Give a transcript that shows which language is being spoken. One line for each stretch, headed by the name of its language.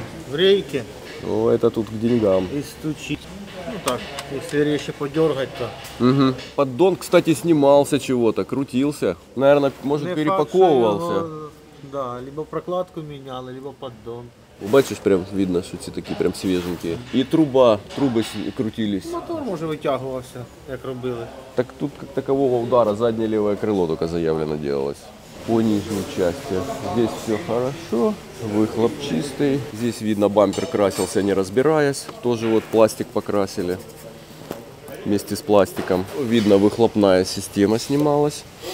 Russian: в рейке. О, это тут к деньгам. И стучит. Ну так, если резче подергать, то. Угу. Поддон, кстати, снимался чего-то, крутился. Наверное, может, не перепаковывался. Его, да, либо прокладку менял, либо поддон.
Ukrainian: Бачиш, прям видно, що ці такі прям свіженькі. І труба, труби крутились. Мотор, може, витягувався, як робили. Так тут як такового удара, заднє ліве крило тільки заявлено ділось. По нижній частині.
Russian: Здесь все хорошо.
Ukrainian: Вихлоп чистий.
Russian: Здесь видно, бампер красився, не розбираясь. Тоже от пластик покрасили. Вместе з пластиком.
Ukrainian: Видно, вихлопна система знімалась.